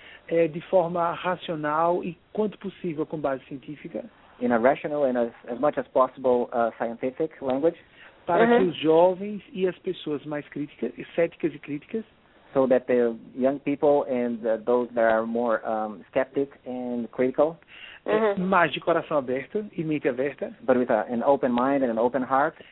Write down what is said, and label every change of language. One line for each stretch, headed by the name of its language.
Portuguese: De forma racional e quanto possível com base científica.
English: In a rational and as much as possible scientific language.
Portuguese: Para uh-huh. que os jovens e as pessoas mais críticas, céticas e críticas,
English: so that the young people and those that are more skeptic and critical, uh-huh.
Portuguese: mas de coração aberto e mente aberta,
English: but with an open mind and an open heart,